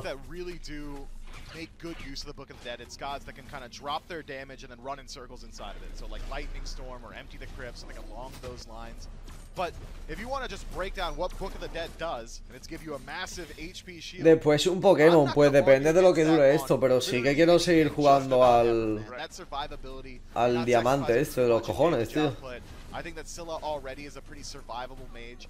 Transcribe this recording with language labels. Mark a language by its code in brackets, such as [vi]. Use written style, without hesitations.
[en] That really do make good use of the Book of the Dead. It's gods that can kind of drop their damage and then run in circles inside of it. So like Lightning Storm or Empty the Crypt, something along those lines. But if you want to just break down what Book of the Dead does, and it's give you a massive HP shield. [es] Después un Pokémon, pues depende de lo que dure esto, pero sí que quiero seguir jugando al diamante esto de los cojones, tío. [en] I think that Scylla already is a pretty survivable mage.